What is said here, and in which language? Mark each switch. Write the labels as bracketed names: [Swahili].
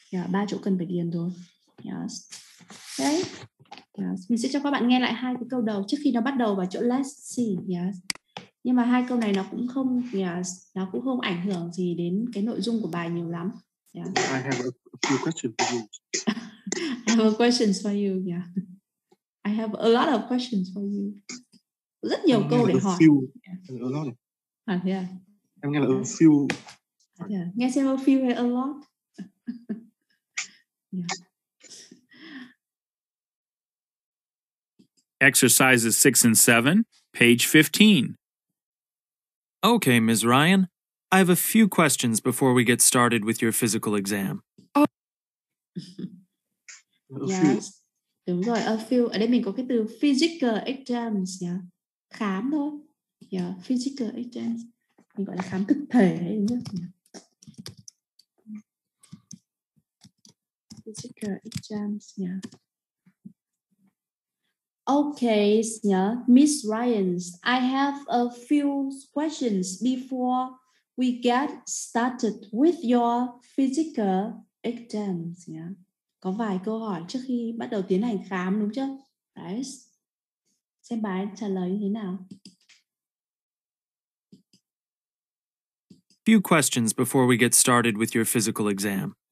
[Vietnamese] Ba chỗ cần phải điền rồi. Yes. Okay. Yes. Mình sẽ cho các bạn nghe lại hai cái câu đầu trước khi nó bắt đầu vào chỗ [English] let's see. [Vietnamese] Yes. Nhưng mà hai câu này nó cũng không nó cũng không ảnh hưởng gì đến cái nội dung của bài nhiều lắm. [English] Yes. I have a few questions for you. I have a questions for you. Yeah. I have a lot of questions for you. [Vietnamese] Rất nhiều câu để hỏi. Yeah. Em nghe là a few. Yeah. Nghe xem a few hay a lot. [English] Yeah. Exercises 6 and 7, page 15. Okay, Ms. Ryan, I have a few questions before we get started with your physical exam. Oh. [Vietnamese] Yes. Đúng rồi, a few. Ở đây mình có cái từ [English] physical exams. [Vietnamese] Yeah. Khám thôi. Yeah, [English] physical exams. [Vietnamese] Mình gọi là khám thực thể ấy nhé. [English] Physical exams, yeah. Okay, Miss Ryan, I have a few questions before we get started with your physical exams, yeah. [Vietnamese] Có vài câu hỏi trước khi bắt đầu tiến hành khám đúng chưa? Đấy. Xem bài trả lời như thế nào. [English] Few questions before we get started with your physical exam.